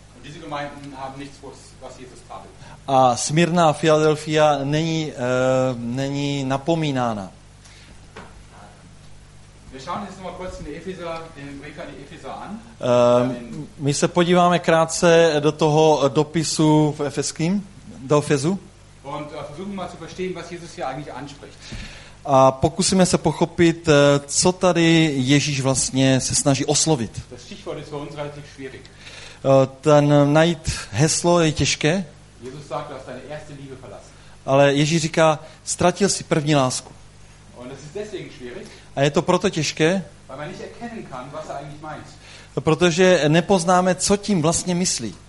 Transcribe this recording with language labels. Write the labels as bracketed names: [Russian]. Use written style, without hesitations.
[German] Und diese Gemeinden haben nichts, was Jesus tat. [Czech] A Smyrna a Filadelfia není napomínána. [German] Wir schauen jetzt nochmal kurz den Brief an die Epheser an. [Czech] My se podíváme krátce do toho dopisu v Efeským, do Efezu. [German] Und versuchen mal zu verstehen, was Jesus hier eigentlich anspricht. [Czech] A pokusíme se pochopit, co tady Ježíš vlastně se snaží oslovit. [German] Das Stichwort ist für uns relativ schwierig. [Czech] Ten najít heslo je těžké. [German] Jesus sagt, du hast deine erste Liebe verlassen. [Czech] Ale Ježíš říká, ztratil jsi první lásku. [German] Und das ist deswegen schwierig. [Czech] A je to proto těžké, [German] weil man nicht erkennen kann, was er eigentlich meint. [Czech] Protože nepoznáme, co tím vlastně myslí.